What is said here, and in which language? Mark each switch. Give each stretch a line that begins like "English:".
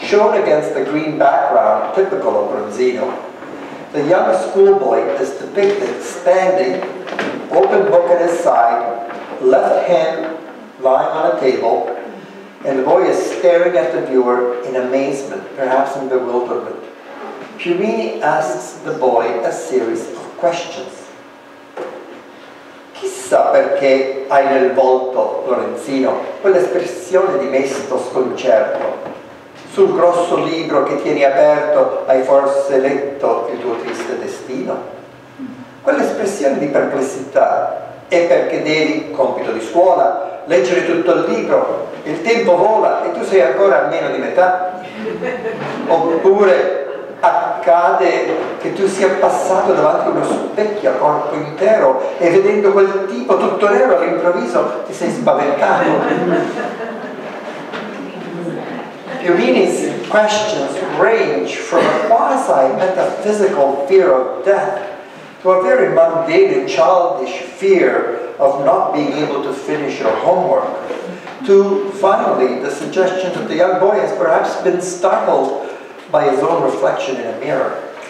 English: Shown against the green background typical of Bronzino, the young schoolboy is depicted standing, open book at his side, left hand lying on a table, and the boy is staring at the viewer in amazement, perhaps in bewilderment. Piumini asks the boy a series of questions.
Italian: Chissà perché hai nel volto, Lorenzino, quell'espressione di mesto sconcerto. Sul grosso libro che tieni aperto hai forse letto il tuo triste destino? Quell'espressione di perplessità è perché devi, compito di scuola, leggere tutto il libro. Il tempo vola e tu sei ancora a meno di metà. Oppure accade che tu sia passato davanti a uno specchio a corpo intero e vedendo quel tipo tutto nero all'improvviso ti sei spaventato.
English: Piumini's questions range from a quasi-metaphysical fear of death to a very mundane and childish fear of not being able to finish your homework, to finally the suggestion that the young boy has perhaps been startled by his own reflection in a mirror.